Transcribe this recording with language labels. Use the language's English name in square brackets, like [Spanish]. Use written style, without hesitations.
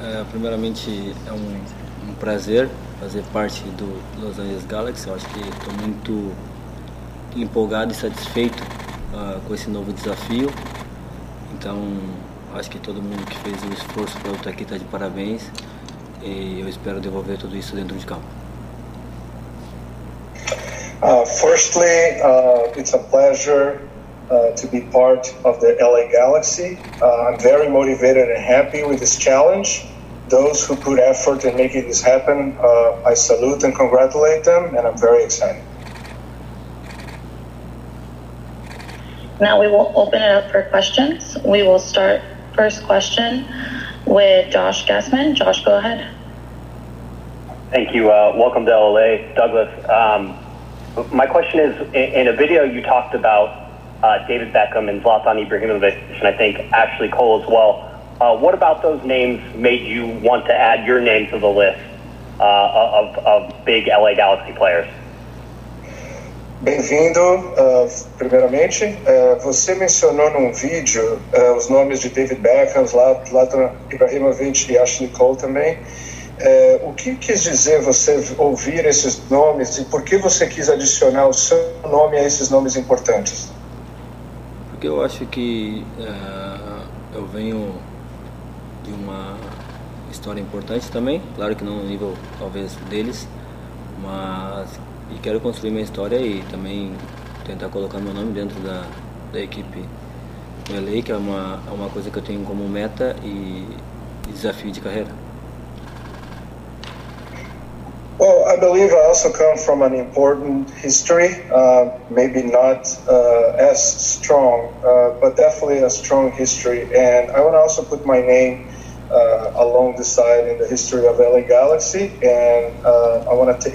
[Portuguese] Primeramente, é um prazer fazer parte do Los Angeles Galaxy. Eu acho que estou muito empolgado e satisfeito com esse novo desafio. Então, acho que todo mundo que fez o esforço para eu estar aqui está de parabéns. E eu espero devolver tudo isso dentro de campo. [English] Firstly, it's a pleasure to be part of the LA Galaxy. I'm very motivated and happy with this challenge. Those who put effort in making this happen, I salute and congratulate them, and I'm very excited. Now we will open it up for questions. We will start first question with Josh Gassman. Josh, go ahead. Thank you. Welcome to LA, Douglas. My question is, in a video you talked about David Beckham and Zlatan Ibrahimovic, and I think Ashley Cole as well. What about those names made you want to add your name to the list of big LA Galaxy players? [Portuguese] Bem-vindo, primeiramente. Você mencionou num vídeo os nomes de David Beckham, Zlatan Ibrahimovic e Ashley Cole também. O que quis dizer você ouvir esses nomes e por que você quis adicionar o seu nome a esses nomes importantes? Porque eu acho que eu venho de uma história importante também, claro que não no nível talvez deles, mas e quero construir minha história e também tentar colocar meu nome dentro da equipe do LA, que é uma coisa que eu tenho como meta e desafio de carreira. [English] Well, I believe I also come from an important history, maybe not as strong, but definitely a strong history, and I want to also put my name along the side in the history of LA Galaxy, and I want to.